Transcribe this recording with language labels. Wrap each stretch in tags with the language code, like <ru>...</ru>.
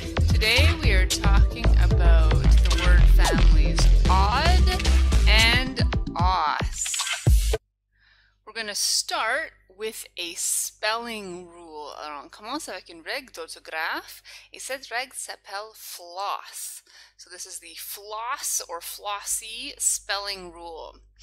<en>Today we are talking about the word families odd and os. We're going to start with a spelling rule.</en> <fr>Alors, on commence avec une règle d'orthographe et cette règle s'appelle floss.</fr> <en>So this is the floss or flossy spelling rule.</en>